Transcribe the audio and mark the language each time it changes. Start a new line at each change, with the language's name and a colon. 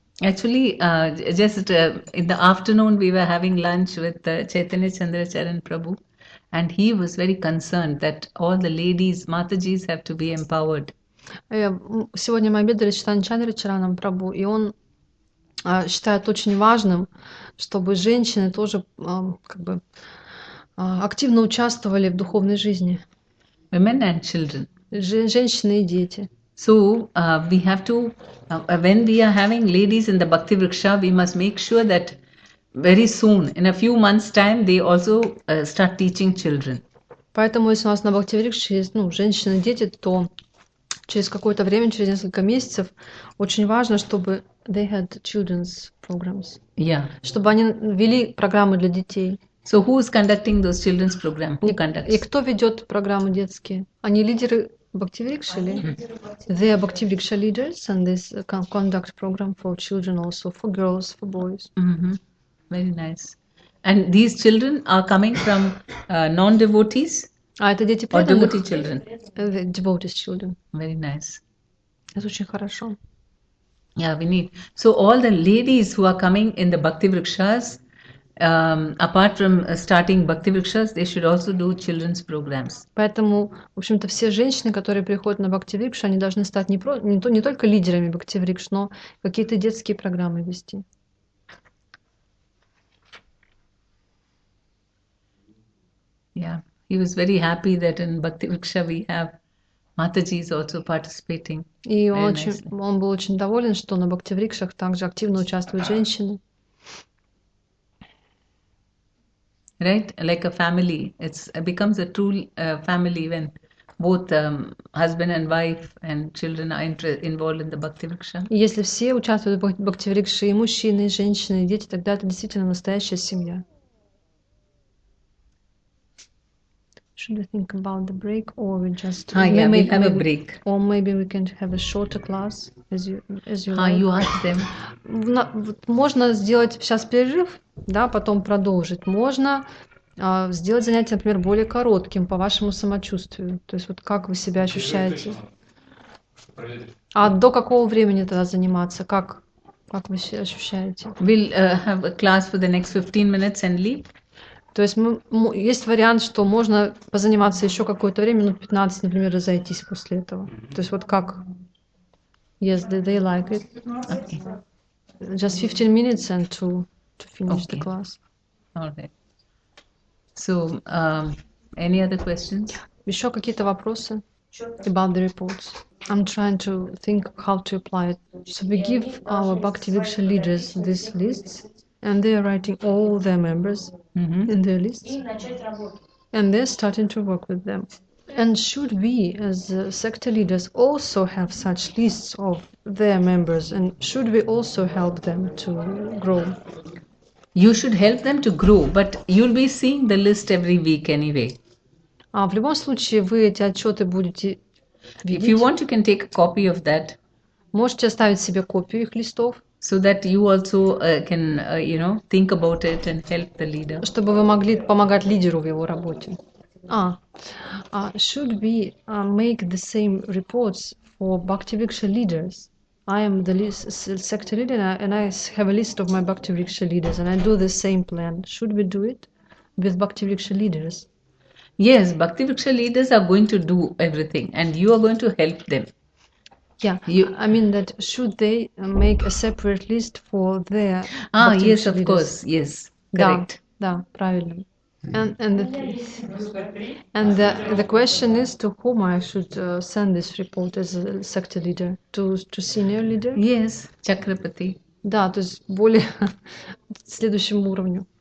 English: Actually, just in the afternoon, we were having lunch with Chaitanya Chandra Charan Prabhu. And he was very concerned that all the ladies, Matajis, have to be empowered.
Russian: Сегодня мы обедали с Чайтаньей Чандрачараном Прабху, и он считает очень важным, чтобы женщины тоже как бы активно участвовали в духовной жизни.
English: Women and children.
Russian: Женщины и дети.
English: So we have to, when we are having ladies in the Bhakti Vriksha, we must make sure that very soon, in a few months' time, they also start teaching children.
Russian: Поэтому если у нас на Бхактивикше есть, ну, женщины, дети, то через какое-то время, через несколько месяцев, очень важно, чтобы
English: they had children's programs. Yeah.
Russian: Чтобы они вели программы для детей.
English: So who is conducting those children's programs? Who conducts?
Russian: И кто ведет программы детские? Они лидеры
English: Bhaktivrikshali. They are Bhaktivriksha leaders and this conduct program for children also, for girls, for boys. Mm-hmm. Very nice. And these children are coming from non-devotees?
Russian: Это дети преданных,
English: devotees children. Very nice.
Russian: Это очень хорошо.
English: Yeah, we need. So all the ladies who are coming in the Bhakti Vrikshas, apart from starting Bhakti Vrikshas, they should also do children's programs.
Russian: Поэтому, в общем-то, все женщины, которые приходят на Bhakti Vriksha, они должны стать не только лидерами Bhakti Vriksh, но какие-то детские программы вести.
English: Yeah. He was very happy that in Bhakti Vriksha we have Mataji is also participating.
Russian: И он был очень доволен, что на Бхакти Врикшах также активно участвуют женщины.
English: Right, like a family. It becomes a true family when both husband and wife and children are involved in the Bhakti Vriksha.
Russian: Если все участвуют в Бхакти Врикше, и мужчины, и женщины, и дети, тогда это действительно настоящая семья.
English: Should we think about the break, or we just have a break? Or maybe we can have a shorter class, as you. Like. You ask them.
Russian: Можно сделать сейчас перерыв, да, потом продолжить. Можно сделать занятие, например, более коротким по вашему самочувствию. То есть вот как вы себя ощущаете? А до какого времени тогда заниматься? Как вы себя ощущаете?
English: We'll have a class for the next 15 minutes and leave.
Russian: То есть есть вариант, что можно позаниматься еще какое-то время, ну 15, например, разойтись после этого. То есть вот как?
English: Yes, they like it. Okay. Just 15 minutes and to finish okay. The class. Alright. So, any other questions?
Russian: Еще какие-то вопросы
English: about the reports? I'm trying to think how to apply it. So we give our Bhakti Viksha leaders this list. And they are writing all their members mm-hmm. in their lists. And they're starting to work with them. And should we, as sector leaders, also have such lists of their members? And should we also help them to grow? You should help them to grow, but you'll be seeing the list every week anyway.
Russian: А в любом случае, вы эти отчеты будете видеть.
English: If you want, you can take a copy of that.
Russian: Можете оставить себе копию их листов.
English: So that you also can, you know, think about it and help the leader.
Russian: Чтобы вы могли помогать лидеру в его работе.
English: Should we make the same reports for Bhakti Vriksha leaders? I am the sector leader and I have a list of my Bhakti Vriksha leaders and I do the same plan. Should we do it with Bhakti Vriksha leaders? Yes, Bhakti Vriksha leaders are going to do everything and you are going to help them. Yeah, I mean that should they make a separate list for their yes, leaders? Of course, yes, correct.
Russian: Да, правильно.
English: And the question is to whom I should send this report as a sector leader? To senior leader? Yes, Chakrapati.
Russian: Да, то есть более следующему уровню.